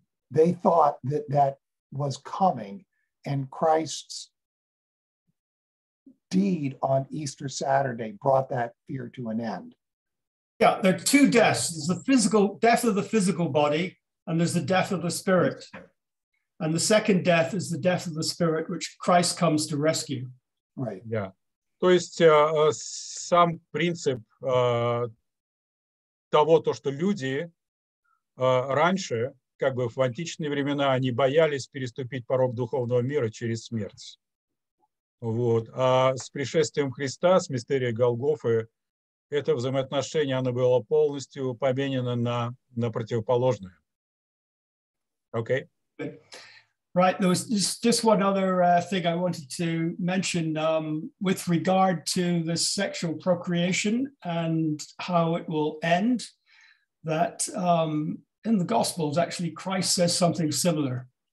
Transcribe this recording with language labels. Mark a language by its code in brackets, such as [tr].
[en] They thought that was coming, and Christ's deed on Easter Saturday brought that fear to an end. Yeah, there are two deaths. There's the physical death of the physical body, and there's the death of the spirit. And the second death is the death of the spirit, which Christ comes to rescue. Right. Yeah. [ru] То есть сам принцип того, то, что люди раньше, как бы в античные времена, они боялись переступить порог духовного мира через смерть. Вот. А с пришествием Христа, с мистерией Голгофы, это взаимоотношение, оно было полностью поменено на противоположное. [en] Okay. Right, there was just one other thing I wanted to mention with regard to the sexual procreation and how it will end, that in the Gospels, actually, Christ says something similar.